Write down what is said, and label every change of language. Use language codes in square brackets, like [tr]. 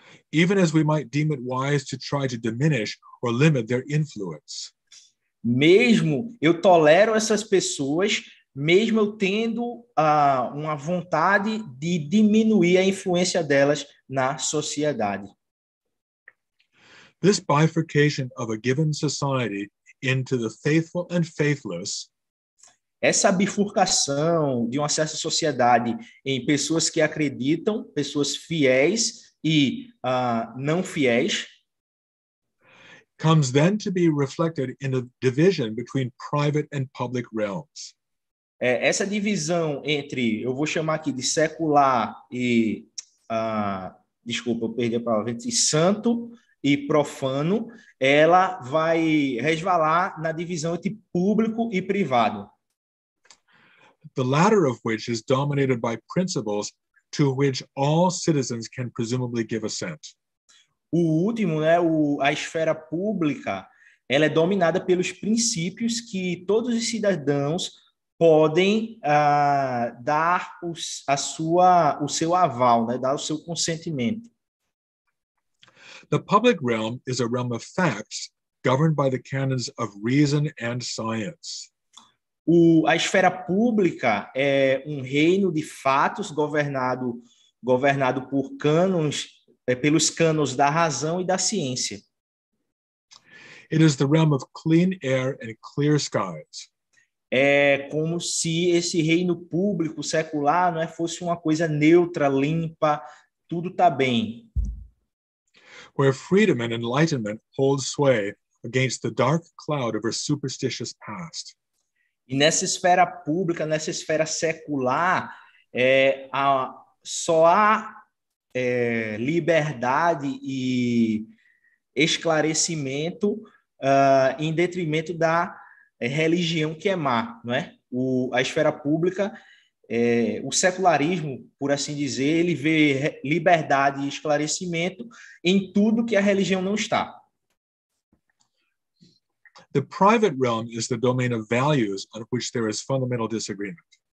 [en] Even as we might deem it wise to try to diminish or limit their influence. [pt] Mesmo eu tolero essas pessoas, mesmo eu tendo uma vontade de diminuir a influência delas na sociedade. [en] This bifurcation of a given society into the faithful and faithless. [pt] Essa bifurcação de uma certa sociedade em pessoas que acreditam, pessoas fiéis e não fiéis. [en] Comes then to be reflected in a division between private and public realms. [pt] Essa divisão entre, eu vou chamar aqui de secular e, desculpa, eu perdi a palavra, entre santo e profano, ela vai resvalar na divisão entre público e privado. [en] The latter of which is dominated by principles to which all citizens can presumably give assent. [pt] O último, né, a esfera pública, ela é dominada pelos princípios que todos os cidadãos podem dar o seu aval, né, dar o seu consentimento. [en] The public realm is a realm of facts governed by the canons of reason and science. [pt] A esfera pública é um reino de fatos governado por cânons, pelos cânons da razão e da ciência. [en] It is the realm of clean air and clear skies. [pt] É como se esse reino público secular não fosse uma coisa neutra, limpa, tudo está bem. [en] Where freedom and enlightenment hold sway against the dark cloud of her superstitious past. [pt] E nessa esfera pública, nessa esfera secular, só há liberdade e esclarecimento em detrimento da religião que é má, não é? A esfera pública, o secularismo, por assim dizer, ele vê liberdade e esclarecimento em tudo que a religião não está. [en] The private realm is the domain of values on which there is fundamental disagreement.